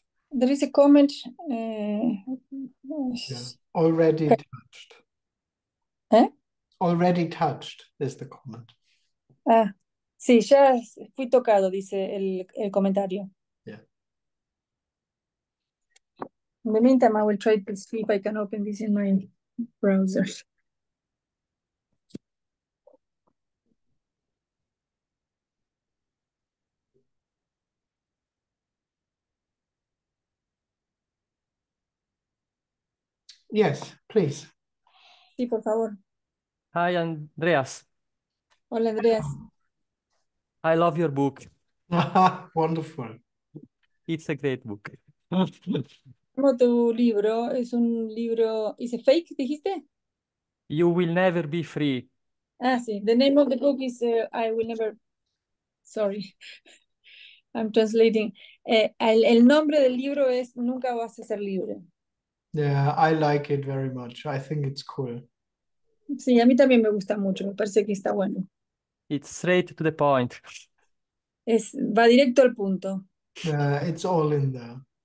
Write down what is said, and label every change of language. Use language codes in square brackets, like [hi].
[en] There is a comment. Yeah. Already touched. Already touched is the comment. [es] Ah, sí, ya fui tocado, dice el comentario. [en] In the meantime, I will try to see if I can open this in my browser. Yes, please. [es] Sí, por favor. [en] Hi, Andreas. [es] Hola, Andrés. [en] I love your book. Wonderful. It's a great book. [es] Como tu libro, es un libro, ¿es fake, dijiste? [en] You will never be free. [es] Ah, sí, [en] the name of the book is I Will Never, sorry, I'm translating. [es] El nombre del libro es Nunca Vas a Ser Libre. [en] Yeah, I like it very much. I think it's cool. [es] Sí, a mí también me gusta mucho, me parece que está bueno. [en] It's straight to the point. [es] Va directo al punto. [en] It's all in there.